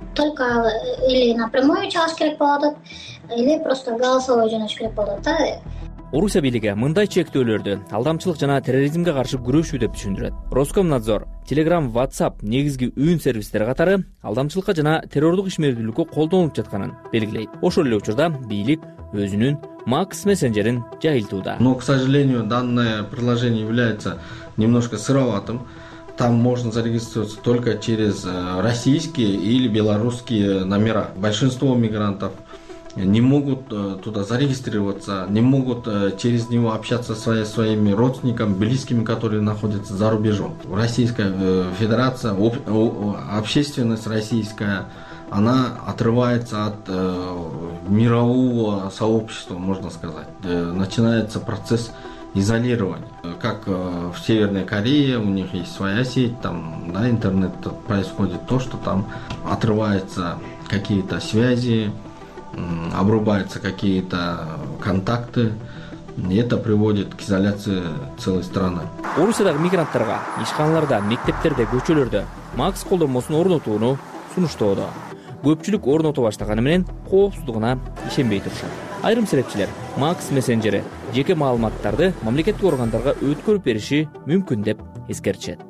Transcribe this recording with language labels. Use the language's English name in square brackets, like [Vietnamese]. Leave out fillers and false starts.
[Kyrgyz] Только или напрямую чалыш керек болуп атат, или просто голосовой жөнөш керек болуп атат да. Орусия бийлиги мындай чектөөлөрдү алдамчылык жана терроризмге каршы күрөшүү деп түшүндүрөт. Роскомнадзор, Telegram, WhatsApp негизги үн сервистер катары алдамчылыкка жана террордук ишмердүүлүккө колдонулуп жатканын белгилейт. Ошол эле учурда бийлик өзүнүн Макс мессенджерин жайылтууда. [Russian] Но, к сожалению, данное приложение является немножко сыроватым. Там можно зарегистрироваться только через российские или белорусские номера. Большинство мигрантов не могут туда зарегистрироваться, не могут через него общаться со своими родственниками, близкими, которые находятся за рубежом. Российская федерация, общественность российская, она отрывается от мирового сообщества, можно сказать. Начинается процесс изолирования. Как в Северной Корее, у них есть своя сеть, там, да, интернет, происходит то, что там отрываются какие-то связи, обрубаются какие-то контакты, и это приводит к изоляции целой страны. [Kyrgyz] Орусиядагы мигранттарга ишканаларда, мектептерде, көчөлөрдө Макс колдонмосун орнотууну сунуштоодо. Көпчүлүк орното баштаганы менен коопсуздугуна ишенбей турушат. Айрым серепчилер Макс мессенджери жеке маалыматтарды мамлекеттик органдарга өткөрүп бериши мүмкүн деп эскерчет.